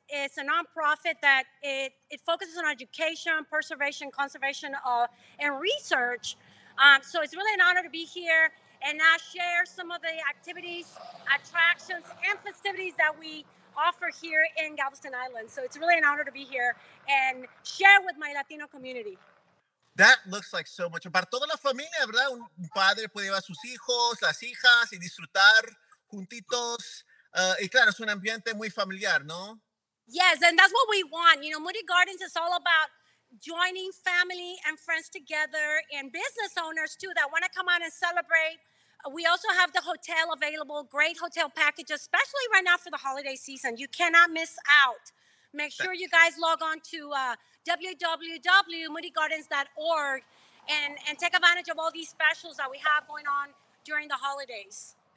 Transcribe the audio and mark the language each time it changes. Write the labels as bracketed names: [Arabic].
[English] It's a nonprofit that it focuses on education, preservation, conservation, and research. So it's really an honor to be here and now share some of the activities, attractions, and festivities that we offer here in Galveston Island. So it's really an honor to be here and share with my Latino community. That looks like so much. [Spanish] Para toda la familia, ¿verdad? Un padre puede llevar sus hijos, las hijas, y disfrutar juntitos. Y claro, es un ambiente muy familiar, ¿no? [English] Yes, and that's what we want. You know, Moody Gardens is all about joining family and friends together, and business owners too that want to come out and celebrate. We also have the hotel available, great hotel packages, especially right now for the holiday season. You cannot miss out. Make sure you guys log on to www.moodygardens.org and take advantage of all these specials that we have going on during the holidays.